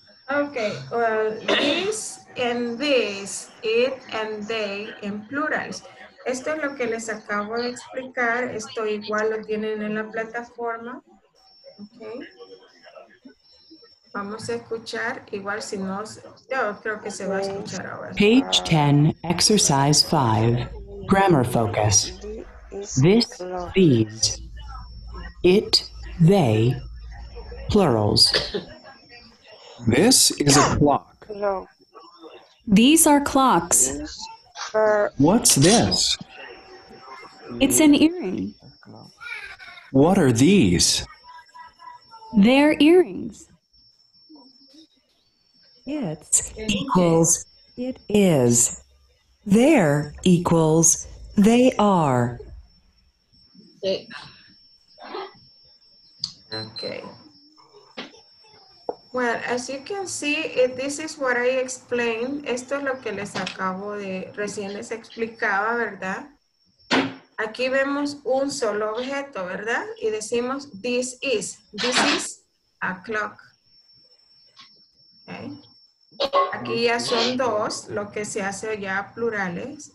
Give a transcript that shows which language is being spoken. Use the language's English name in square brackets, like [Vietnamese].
[English] Okay, well, this and this, it and they in plurals. [Spanish] Esto es lo que les acabo de explicar. Esto igual lo tienen en la plataforma. Okay. Vamos a escuchar, igual si no, yo creo que se va a escuchar ahora. [English] Page 10, exercise 5. Grammar focus. This, these. It, they. Plurals. This is a clock. No. These are clocks. What's this? It's an earring. What are these? They're earrings. It's equals it is. There equals they are. Okay. Well, as you can see, this is what I explained. [Spanish] Esto es lo que les acabo de, recién les explicaba, ¿verdad? Aquí vemos un solo objeto, ¿verdad? Y decimos, [English] this is a clock. [Spanish] Okay. Aquí ya son dos, lo que se hace ya plurales.